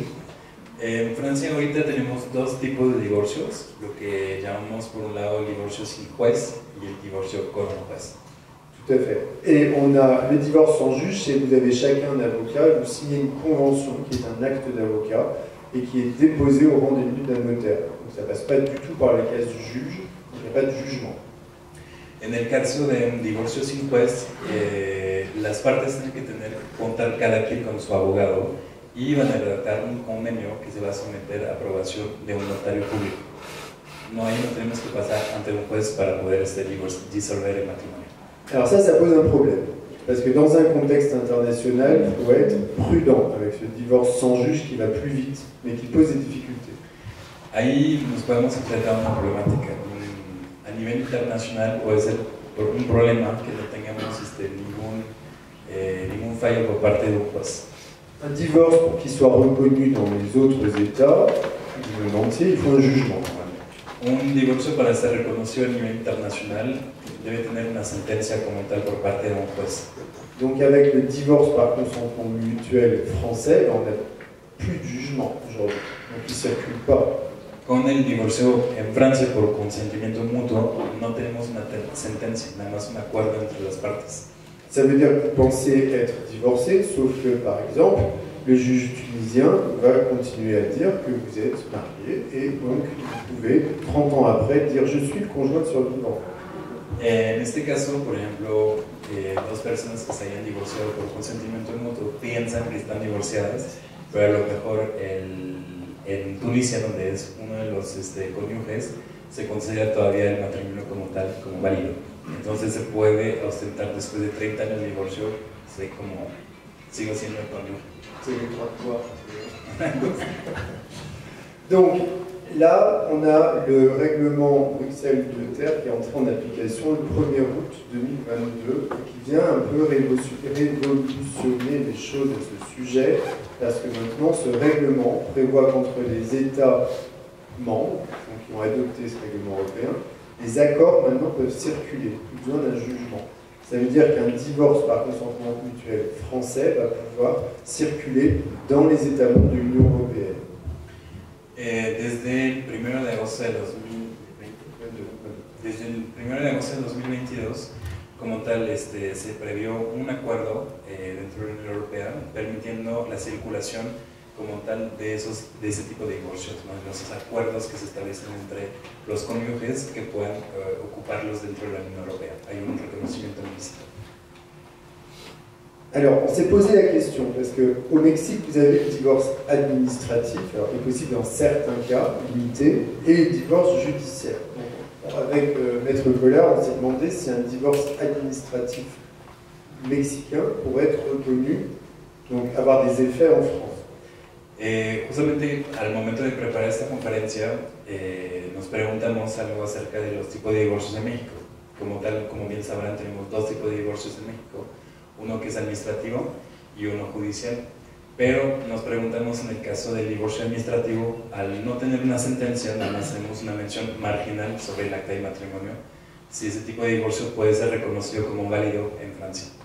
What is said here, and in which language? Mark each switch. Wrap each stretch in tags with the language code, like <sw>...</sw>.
<es>En France, ahorita tenemos dos tipos de divorcios, lo que llamamos por un lado el divorcio sin juez y el divorcio con juez.</es> <fr>Tout à fait. Et on a le divorce sans juge, c'est vous avez chacun un avocat, vous signez une convention qui est un acte d'avocat et qui est déposé au rendez-vous d'un notaire. Donc ça passe pas du tout par la case du juge.</fr> <es>En el caso de un divorcio sin juez, las partes tienen que contar cada quien con su abogado y van a redactar un convenio que se va a someter a aprobación de un notario público. No hay, no tenemos que pasar ante un juez para poder disolver el matrimonio.</es> <fr>Alors ça pose un problème, parce que dans un contexte international, il faut être prudent avec ce divorce sans juge qui va plus vite, mais qui pose des difficultés.</fr> <es>Ahí nos podemos enfrentar a una problemática. A nivel internacional puede ser por un problema que no tengamos ningún fallo por parte de un juez.</es> <fr>Un divorce pour qu'il soit reconnu dans les autres États du monde entier, il faut un jugement.</fr> <es>Un divorcio para ser reconocido a nivel internacional debe tener una sentencia como tal por parte de un juez.</es> <fr>Donc avec le divorce par consentement mutuel français, on n'a plus de jugement aujourd'hui. Donc il ne circule pas.</fr> <es>Con el divorcio en Francia por consentimiento mutuo, no tenemos una sentencia, nada más un acuerdo entre las partes.</es> <fr>Ça veut dire que vous pensez être divorcé, sauf que, par exemple, le juge tunisien va continuer à dire que vous êtes marié et donc vous pouvez, 30 ans après, dire je suis le conjoint de survivant.</fr> <es>En este caso, por ejemplo, dos personas que se hayan divorciado por consentimiento mutuo piensan que están divorciadas, pero a lo mejor en Tunisia, donde es uno de los cónyuges, se considera todavía el matrimonio como tal, como válido. Entonces se puede ostentar después de 30 años de divorcio, sé como sigo siendo el cónyuge. Sí,</es> <fr>de trois. Donc, là, on a le règlement Bruxelles de Terre qui est entré en application le 1er août 2022 et qui vient un peu révolutionner les choses à ce sujet parce que maintenant, ce règlement prévoit qu'entre les États membres donc, qui ont adopté ce règlement européen, les accords maintenant peuvent circuler, plus besoin d'un jugement. Ça veut dire qu'un divorce par consentement mutuel français va pouvoir circuler dans les États membres de l'Union européenne.</fr> <es>Desde el 1 de agosto de 2022, como tal, se previó un acuerdo dentro de la Unión Europea permitiendo la circulación como tal de ese tipo de divorcios, ¿no? De esos acuerdos que se establecen entre los cónyuges que puedan ocuparlos dentro de la Unión Europea. Hay un reconocimiento implícito.</es> <fr>Alors, on s'est posé la question, parce que au Mexique, vous avez le divorce administratif, alors il est possible dans certains cas, limité, et le divorce judiciaire. Donc, avec Maître Collard, on s'est demandé si un divorce administratif mexicain pourrait être reconnu, donc avoir des effets en France.</fr> <es>Justamente, al momento de preparar esta conferencia, nos preguntamos algo acerca de los tipos de divorcios en México. Como tal, como bien sabrán, tenemos dos tipos de divorcios en México. Uno que es administrativo y uno judicial. Pero nos preguntamos en el caso del divorcio administrativo, al no tener una sentencia, nada más tenemos una mención marginal sobre el acta de matrimonio, si ese tipo de divorcio puede ser reconocido como válido en Francia.</es>